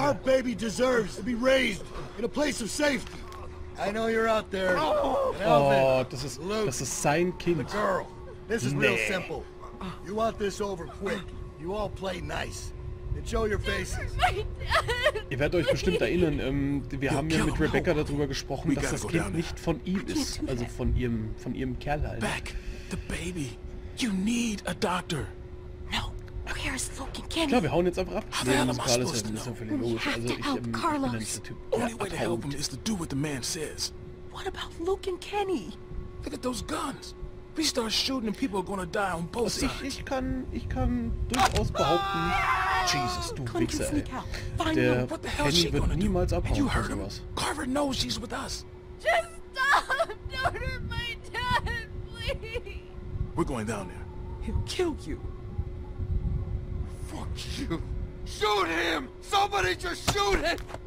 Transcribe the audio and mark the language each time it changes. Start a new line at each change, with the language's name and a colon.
English: Our baby deserves to be raised in a place of safety. I know you're out there.
German: Oh, das ist sein Kind.
English: The girl. This is real simple. You want this over quick. You all play nice. And show your faces.
German: Ihr werdet euch bestimmt erinnern, wir haben ja mit Rebecca darüber gesprochen, dass das Kind nicht von ihm ist. Also von ihrem Kerl halt.
English: Back, the baby. You need a doctor. No, where is fucking Kenny?
German: Klar, wir hauen jetzt einfach ab.
English: How the hell am I supposed to know?
German: Ist ja völlig logisch. Also ich bin Carlos. Der Typ.
English: Only way to help him is to do what the man says. What about Luke and Kenny? Look at those guns. We start shooting and people are gonna die on both sides.
German: Ich kann durchaus behaupten, Jesus, du Wichser, der Penny wird niemals abhauen von sowas.
English: Carver knows she's with us. Just stop! Don't hurt my dad, please! We're going down there. He'll kill you. Fuck you! Shoot him! Somebody just shoot him!